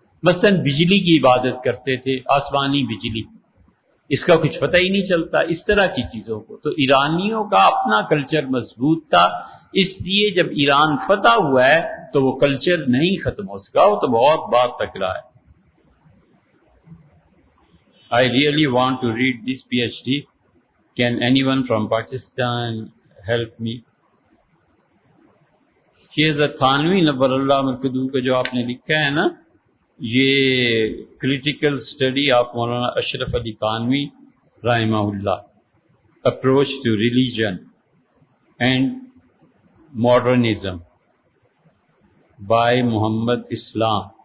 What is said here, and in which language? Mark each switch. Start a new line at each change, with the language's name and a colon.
Urdu: مثلا بجلی کی عبادت کرتے تھے، آسمانی بجلی، اس کا کچھ پتہ ہی نہیں چلتا، اس طرح کی چیزوں کو. تو ایرانیوں کا اپنا کلچر مضبوط تھا، اس لیے جب ایران فتح ہوا ہے تو وہ کلچر نہیں ختم ہو سکا، وہ تو بہت بات تک رہا ہے.
English: I really want to read this PhD. Can anyone from Pakistan help me?
Urdu: یہ 97 نمبر اللہ مرکدو کا جو آپ نے لکھا ہے نا، یہ
English: critical study of
Urdu: مولانا اشرف علی تھانوی رحمہ اللہ،
English: approach to religion and modernism
Urdu: by Muhammad Islam.